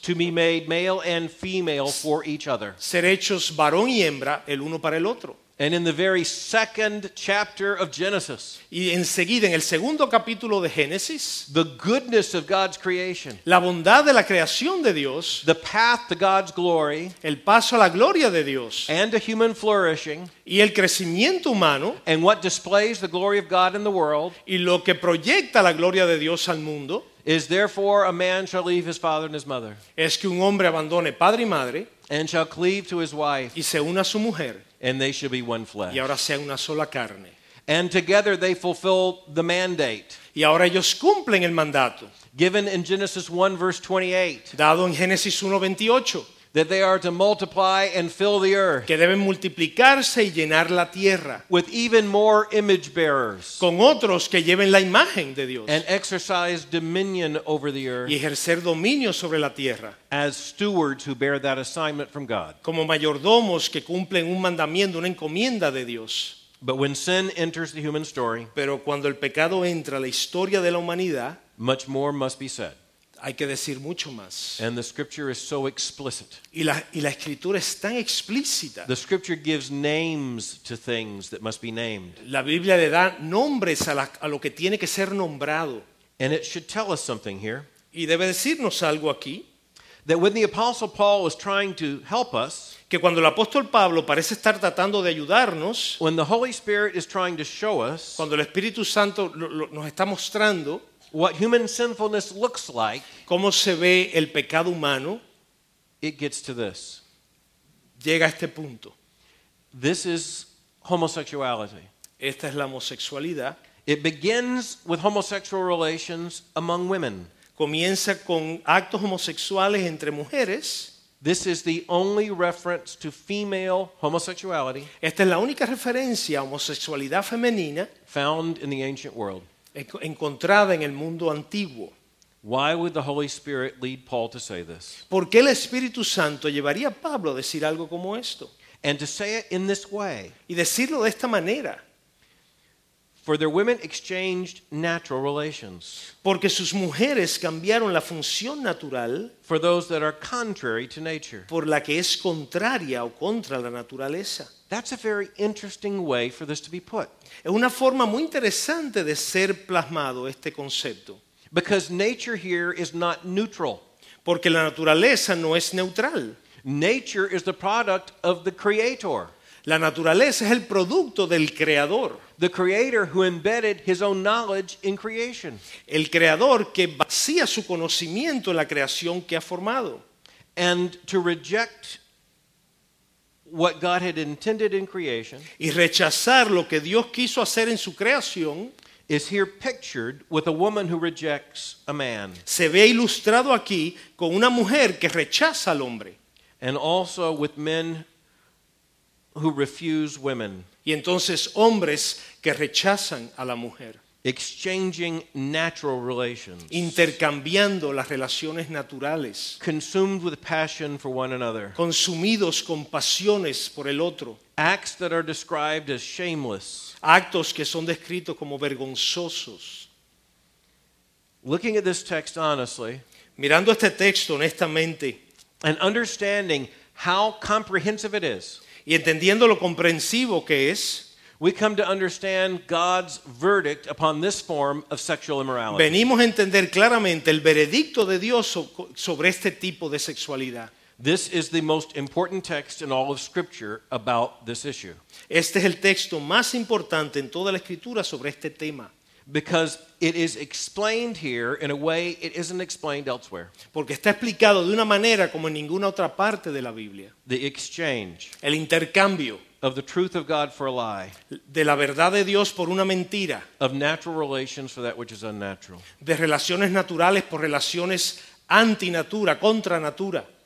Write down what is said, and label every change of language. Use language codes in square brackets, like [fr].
[en] to be made male and female for each other. [es] Ser hechos varón y hembra el uno para el otro. [en] And in the very second chapter of Genesis, [es] y enseguida en el segundo capítulo de Génesis, [en] the goodness of God's creation, [es] la bondad de la creación de Dios, [en] the path to God's glory, [es] el paso a la gloria de Dios, [en] and a human flourishing, [es] y el crecimiento humano, [en] and what displays the glory of God in the world, [es] y lo que proyecta la gloria de Dios al mundo, [en] is therefore a man shall leave his father and his mother, [es] es que un hombre abandone padre y madre, [en] and shall cleave to his wife, [es] y se una a su mujer. [en] And they shall be one flesh. [es] Y ahora sea una sola carne. [en] And together they fulfill the mandate. [es] Y ahora ellos cumplen el mandato. [en] Given in Genesis 1 verse 28. [es] Dado en Génesis 1:28. [en] That they are to multiply and fill the earth. [es] Que deben multiplicarse y llenar la tierra. [en] With even more image bearers. [es] Con otros que lleven la imagen de Dios. [en] And exercise dominion over the earth. [es] Y ejercer dominio sobre la tierra. [en] As stewards who bear that assignment from God. [es] Como mayordomos que cumplen un mandamiento, una encomienda de Dios. [en] But when sin enters the human story. [es] Pero cuando el pecado entra a la historia de la humanidad. [en] Much more must be said. [es] Hay que decir mucho más. [en] And the scripture is so explicit. [es] Y la escritura es tan explícita. [en] The scripture gives names to things that must be named. [es] La Biblia le da nombres a lo que tiene que ser nombrado. [en] And it should tell us something here. [es] Y debe decirnos algo aquí. [en] That when the apostle Paul was trying to help us, [es] que cuando el apóstol Pablo parece estar tratando de ayudarnos, [en] when the Holy Spirit is trying to show us, [es] cuando el Espíritu Santo nos está mostrando, [en] what human sinfulness looks like, [es] cómo se ve el pecado humano, [en] it gets to this. [es] Llega a este punto. [en] This is homosexuality. [es] Esta es la homosexualidad. [en] It begins with homosexual relations among women. [es] Comienza con actos homosexuales entre mujeres. [en] This is the only reference to female homosexuality. [es] Esta es la única referencia a homosexualidad femenina [en] found in the ancient world. [es] Encontrada en el mundo antiguo. [en] Why would the Holy Spirit lead Paul to say this? [es] ¿Por qué el Espíritu Santo llevaría a Pablo a decir algo como esto? [en] And to say it in this way. [es] Y decirlo de esta manera. [en] For their women exchanged natural relations. [es] Porque sus mujeres cambiaron la función natural. [en] For those that are contrary to nature. [es] Por la que es contraria o contra la naturaleza. [en] That's a very interesting way for this to be put. [es] Es una forma muy interesante de ser plasmado este concepto. [en] Because nature here is not neutral. [es] Porque la naturaleza no es neutral. [en] Nature is the product of the creator. [es] La naturaleza es el producto del creador. [en] The creator who embedded his own knowledge in creation. [es] El creador que vacía su conocimiento en la creación que ha formado. [en] And to reject what God had intended in creation. [es] Y rechazar lo que Dios quiso hacer en su creación. [en] Is here pictured with a woman who rejects a man. [es] Se ve ilustrado aquí con una mujer que rechaza al hombre. [en] And also with men who refuse women. [es] Y entonces hombres que rechazan a la mujer. [en] Exchanging natural relations. [es] Intercambiando las relaciones naturales. [en] Consumed with passion for one another. [es] Consumidos con pasiones por el otro. [en] Acts that are described as shameless. [es] Actos que son descritos como vergonzosos. [en] Looking at this text honestly. [es] Mirando este texto honestamente. [en] And understanding how comprehensive it is. [es] Y entendiendo lo comprensivo que es, [en] we come to understand God's verdict upon this form of sexual immorality. [es] Venimos a entender claramente el veredicto de Dios sobre este tipo de sexualidad. [en] This is the most important text in all of Scripture about this issue. [es] Este es el texto más importante en toda la Escritura sobre este tema. [en] Because it is explained here in a way it isn't explained elsewhere. [es] Porque está explicado de una manera como en ninguna otra parte de la Biblia. [en] The exchange. [es] El intercambio. [en] Of the truth of God for a lie. [es] De la verdad de Dios por una mentira. [en] Of natural relations for that which is unnatural. [es] De relaciones naturales por relaciones antinatura, contra natura.